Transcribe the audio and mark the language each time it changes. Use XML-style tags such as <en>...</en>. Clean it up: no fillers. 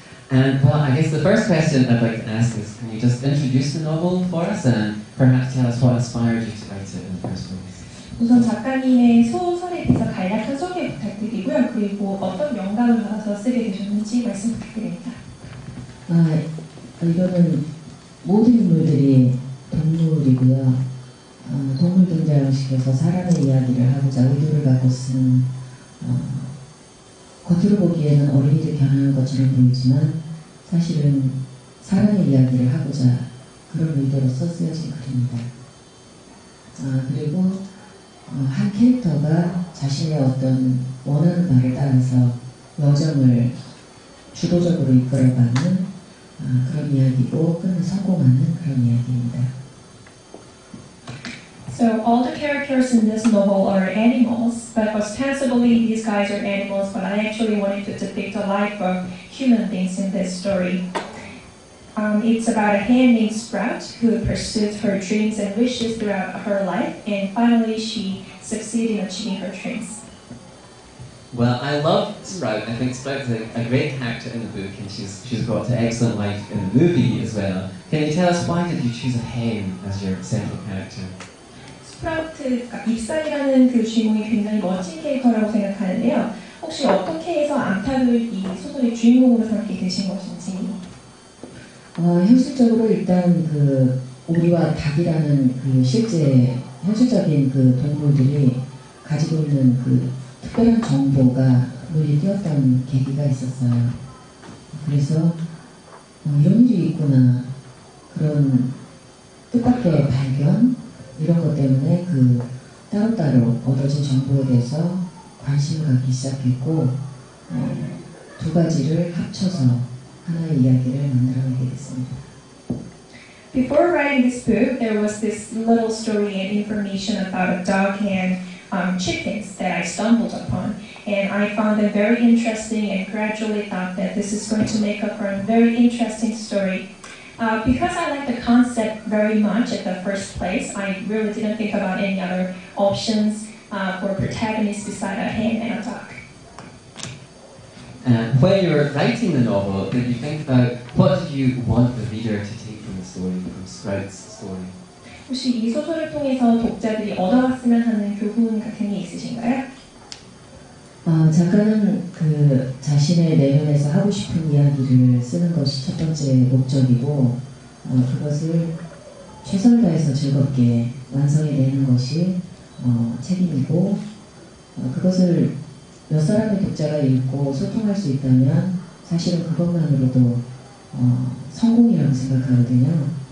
<en>And well, I guess the first question I'd like to ask is, can you just introduce the novel for us and perhaps tell us what inspired you to write it in the first place?</en> <ko>우선 작가님의 소설에 대해서 간략한 소개 부탁드리고요. 그리고 어떤 영감을 받아서 쓰게 되셨는지 말씀 부탁드립니다. 이거는 모든 인물들이 동물이고요. 동물 등장을 시켜서 사람의 이야기를 하고자 의도를 갖고 쓴 겉으로 보기에는 어린이를 겨냥한 것처럼 보이지만 사실은 사람의 이야기를 하고자 그런 의도로서 쓰여진 글입니다. 그리고 한 캐릭터가 자신의 어떤 원하는 바를 따라서 여정을 주도적으로 이끌어가는 그런 이야기고 끝내 성공하는 그런 이야기입니다.</ko> <en>So all the characters in this novel are animals, but ostensibly these guys are animals, but I actually wanted to depict a life of human beings in this story. It's about a hand named Sprout who pursued her dreams and wishes throughout her life, and finally she succeeded in achieving her dreams. Well, I love Sprout. I think Sprout's a great character in the book, and she's brought an excellent life in the movie as well. Can you tell us why did you choose a hen as your central character?</en> <ko>Sprout가 입살이라는 그 주인공이 굉장히 멋진 캐릭터라고 생각하는데요. 혹시 어떻게 해서 암탉을 이 소설의 주인공으로 삼게 되신 것인지? 현실적으로 일단 그 오리와 닭이라는 그 실제 현실적인 그 동물들이 가지고 있는 그 특별한 정보가 눈에 띄었던 계기가 있었어요. 그래서 이런 일이 있구나 그런 뜻밖의 발견 이런 것 때문에 그 따로따로 얻어진 정보에 대해서 관심을 갖기 시작했고 두 가지를 합쳐서 하나의 이야기를 만들어 내게 됐습니다.</ko> <en>Before writing this book, there was this little story and information about a dog and chickens that I stumbled upon. And I found them very interesting and gradually thought that this is going to make up for a very interesting story. Because I liked the concept very much at the first place, I really didn't think about any other options for protagonists beside a hen and a dog. And when you were writing the novel, did you think about what did you want the reader to take from the story, from Sprout's story?</en> <ko>혹시 이 소설을 통해서 독자들이 얻어갔으면 하는 교훈 같은 게 있으신가요? 작가는 그 자신의 내면에서 하고 싶은 이야기를 쓰는 것이 첫 번째 목적이고 그것을 최선을 다해서 즐겁게 완성해내는 것이 책임이고 그것을 몇 사람의 독자가 읽고 소통할 수 있다면 사실은 그것만으로도 성공이라고 생각하거든요.</ko>